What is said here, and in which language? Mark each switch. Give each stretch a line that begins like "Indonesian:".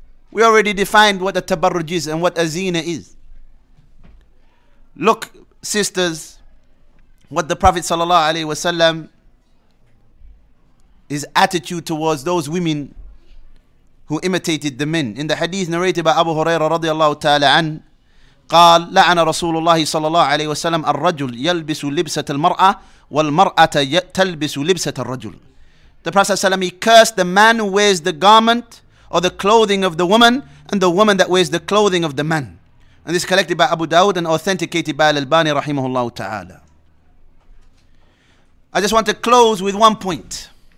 English: We already defined what a tabarruj is and what a zina is. Look, sisters, what the Prophet sallallahu alaihi wasallam, his attitude towards those women who imitated the men. In the hadith narrated by Abu Huraira radiallahu ta'ala an,
Arabic: قال لعن رسول الله صلى الله عليه وسلم الرجل يلبس لبسة المرأة والمرأة تلبس لبسة الرجل.
English: The Prophet ﷺ, he cursed the man who wears the garment or the clothing of the woman and the woman that wears the clothing of the man. And this is collected by Abu Dawud and authenticated by Al-Albani rahimahullah ta'ala. I just want to close with one point.